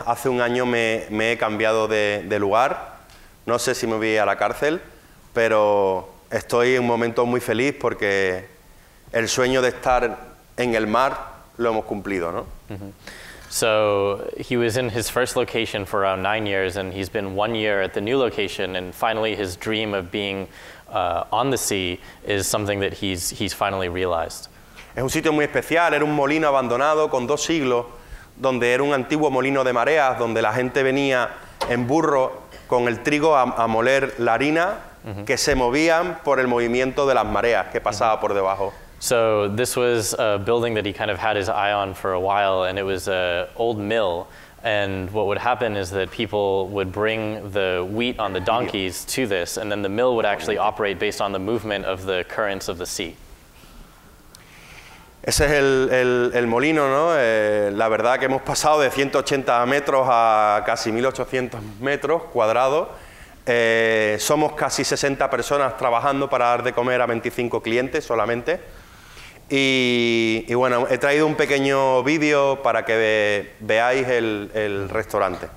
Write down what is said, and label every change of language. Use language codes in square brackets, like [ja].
[es] Hace un año me he cambiado de lugar. No sé si me voy a la cárcel, pero estoy en un momento muy feliz porque el sueño de estar en el mar lo hemos cumplido, ¿no? Mm-hmm. [en] So he was in his first location for around 9 years, and he's been 1 year at the new location, and finally his dream of being on the sea is something that he's finally realized. [es] Es un sitio muy especial. Era un molino abandonado con 2 siglos, donde era un antiguo molino de mareas, donde la gente venía en burro con el trigo a moler la harina, mm-hmm. que se movían por el movimiento de las mareas que pasaba mm-hmm. por debajo. [en] So this was a building that he kind of had his eye on for a while, and it was an old mill. And what would happen is that people would bring the wheat on the donkeys to this, and then the mill would actually operate based on the movement of the currents of the sea. [es] Ese es el molino, ¿no? La verdad que hemos pasado de 180 metros a casi 1800 metros cuadrados. Somos casi 60 personas trabajando para dar de comer a 25 clientes solamente. Y bueno, he traído un pequeño vídeo para que veáis el restaurante.